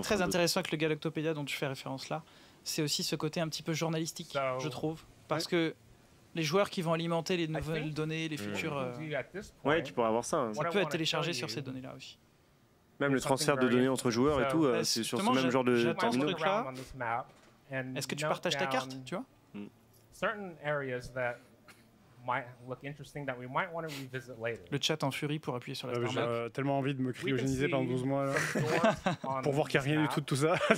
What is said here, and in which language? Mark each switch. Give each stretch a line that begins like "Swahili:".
French: Très intéressant avec le Galactopédia dont tu fais référence là, c'est aussi ce côté un petit peu journalistique, je trouve. Parce que les joueurs qui vont alimenter les nouvelles données, les futures. Ouais, tu pourras avoir ça. Ça peut être téléchargé sur ces données-là aussi. Même le transfert de données entre joueurs et tout, c'est sur ce même genre de terminal. Est-ce que tu partages ta carte, tu vois?
English: Certain areas that might look interesting that we might want to revisit later.
French: Le chat en furie pour appuyer sur la J'ai tellement envie de me cryogéniser pendant 12 mois là, pour voir qu'il n'y a rien du tout de tout ça.